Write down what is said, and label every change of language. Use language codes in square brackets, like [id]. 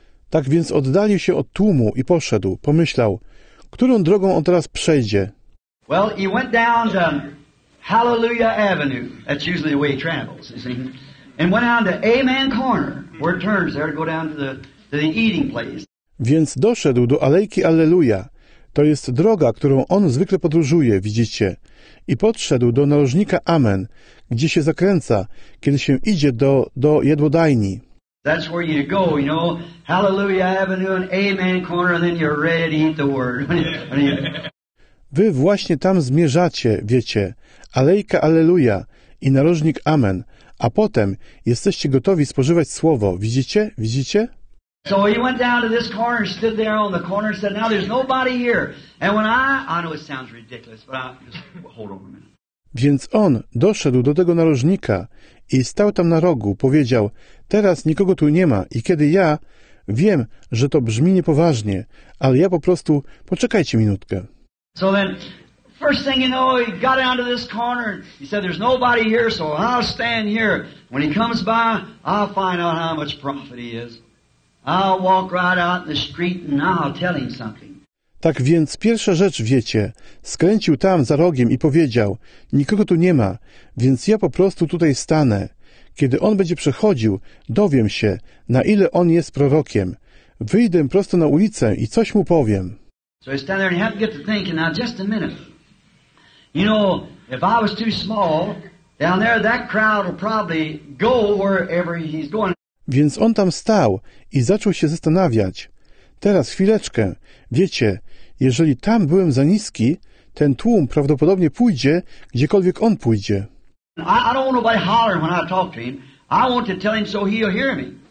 [pl] Tak więc oddalił się od tłumu i poszedł. Pomyślał, którą drogą on teraz przejdzie. [en] Well, he went down to Hallelujah Avenue. That's usually the way he travels, you see. And went down to Amen Corner, where it turns there to go down to the eating place. [pl] Więc doszedł do alejki Alleluja. To jest droga, którą on zwykle podróżuje, widzicie. I podszedł do narożnika Amen, gdzie się zakręca, kiedy się idzie do jadłodajni. [en] That's where you go, you know, Hallelujah Avenue and Amen Corner, and then you're ready to eat the word. [pl] Wy właśnie tam zmierzacie, wiecie, alejka Alleluja i narożnik Amen, a potem jesteście gotowi spożywać słowo, widzicie, widzicie? [en] So he went down to this corner, stood there on the corner, said, now there's nobody here. And when I know it sounds ridiculous, but I'll just hold on a minute. [pl] Więc on doszedł do tego narożnika i stał tam na rogu, powiedział, teraz nikogo tu nie ma i kiedy ja wiem, że to brzmi niepoważnie, ale ja po prostu, poczekajcie minutkę. [en] So then, first thing you know, he got down to this corner and he said, there's nobody here, so I'll stand here. When he comes by, I'll find out how much profit he is. I'll walk right out in the street and I'll tell him something. [pl] Tak więc pierwsza rzecz, wiecie, skręcił tam za rogiem i powiedział, nikogo tu nie ma, więc ja po prostu tutaj stanę. Kiedy on będzie przechodził, dowiem się, na ile on jest prorokiem. Wyjdę prosto na ulicę i coś mu powiem. [en] So he's standing there and he had to get to thinking, now just a minute. You know, if I was too small, down there that crowd will probably go wherever he's going. [pl] Więc on tam stał i zaczął się zastanawiać. Teraz chwileczkę, wiecie, jeżeli tam byłem za niski, ten tłum prawdopodobnie pójdzie, gdziekolwiek on pójdzie. [en] I don't want nobody hollering when I talk to him. I want to tell him so he'll hear me.